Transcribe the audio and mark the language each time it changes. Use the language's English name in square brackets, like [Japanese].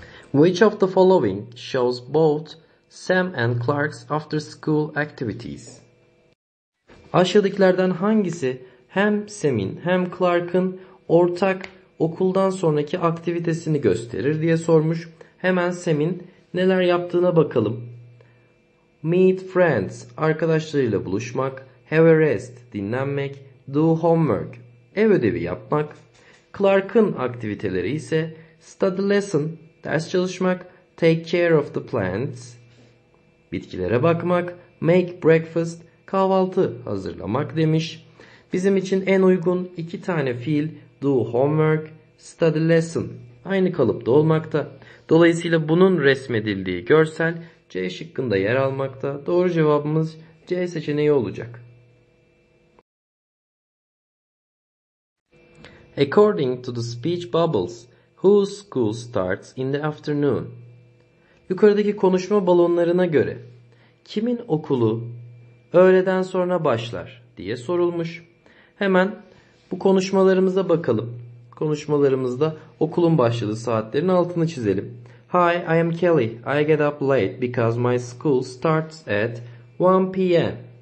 [English] Which of the following shows both Sam and Clark's after school activities? [Turkish] Aşağıdakilerden hangisi hem Sam'in hem Clark'ın ortak okuldan sonraki aktivitesini gösterir diye sormuş. Hemen Sam'in neler yaptığına bakalım. [English] Meet friends, [Turkish] arkadaşlarıyla buluşmak. [English] Have a rest, [Turkish] dinlenmek. [English] Do homework, [Turkish] ev ödevi yapmak. Clark'ın aktiviteleri ise [English] study lesson, [Turkish] ders çalışmak. [English] Take care of the plants, [Turkish] bitkilere bakmak. [English] Make breakfast, [Turkish] kahvaltı hazırlamak demiş. Bizim için en uygun iki tane fiil [English] do homework, study lesson [Turkish] aynı kalıpta olmakta. Dolayısıyla bunun resmedildiği görsel C şıkkında yer almakta. Doğru cevabımız C seçeneği olacak. [English] According to the speech bubbles, whose school starts in the afternoon? [Turkish] Yukarıdaki konuşma balonlarına göre kimin okulu öğleden sonra başlar diye sorulmuş. Hemen bu konuşmalarımıza bakalım. Konuşmalarımızda okulun başladığı saatlerin altını çizelim. [English] Hi, I am Kelly. I get up late because my school starts at 1 p.m.